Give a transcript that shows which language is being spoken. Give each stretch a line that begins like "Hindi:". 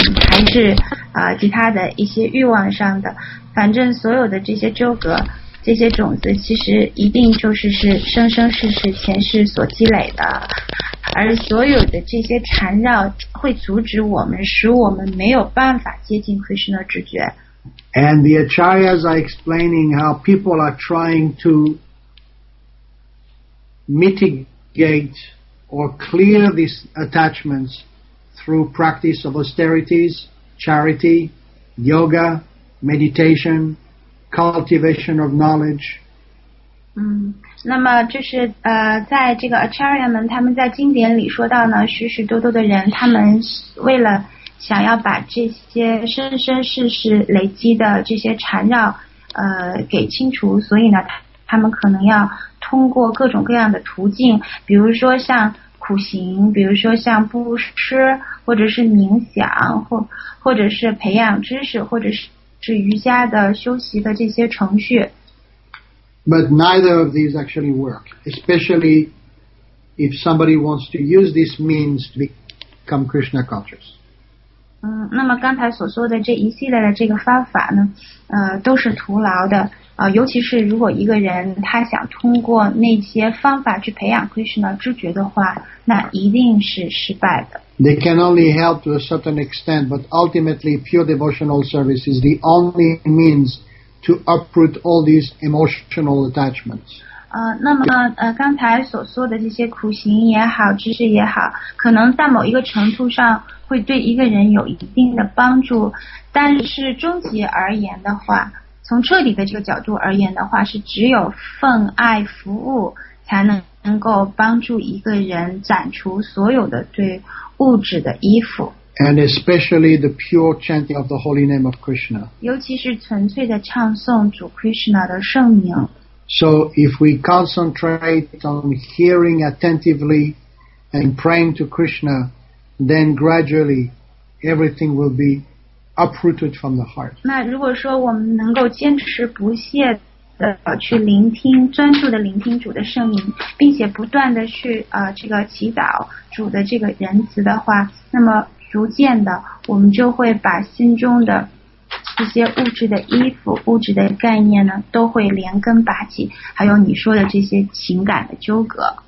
Chinese: 还是其他的一些欲望上的，反正所有的这些纠葛，这些种子其实一定就是生生世世前世所积累的，而所有的这些缠绕会阻止我们，使我们没有办法接近 Krishna 直觉。
English: And the acharyas are explaining how people are trying to mitigate or clear these attachments. Through practice of austerities, charity, yoga, meditation, cultivation of knowledge.
Chinese: 那么就是在这个 Acharya 们他们在经典里说到呢，许许多多的人他们为了想要把这些生生世世累积的这些缠绕给清除，所以呢他们可能要通过各种各样的途径，比如说像苦行，比如说像布施，或者是冥想，或者是培养知识，或者是瑜伽的修习的这些程序。
English: But neither of these actually work, especially if somebody wants to use these means to become Krishna conscious.
Chinese: 那么刚才所说的这一系列的这个方法呢，都是徒劳的。尤其是如果一个人他想通过那些方法去培养 Krishna 知觉的话，那一定是失败的。
English: They can only help to a certain extent, but ultimately pure devotional service is the only means to uproot all these emotional attachments.
Chinese: 那么刚才所说的这些苦行也好，知识也好，可能在某一个程度上会对一个人有一定的帮助，但是终极而言的话，从彻底的这个角度而言的话，是只有奉爱服务才能够帮助一个人斩除所有的对物质的依附。
English: And especially the pure chanting of the holy name of Krishna.
Chinese: 尤其是纯粹的唱诵主 Krishna 的圣名。
English: So if we concentrate on hearing attentively and praying to Krishna, then gradually everything will be uprooted from the heart.
Chinese: 那如果说我们能够坚持不懈的去聆听，专注的聆听主的圣灵，并且不断的去这个祈祷主的这个仁慈的话，那么逐渐的我们就会把心中的这些物质的衣服、物质的概念呢，都会连根拔起，还有你说的这些情感的纠葛。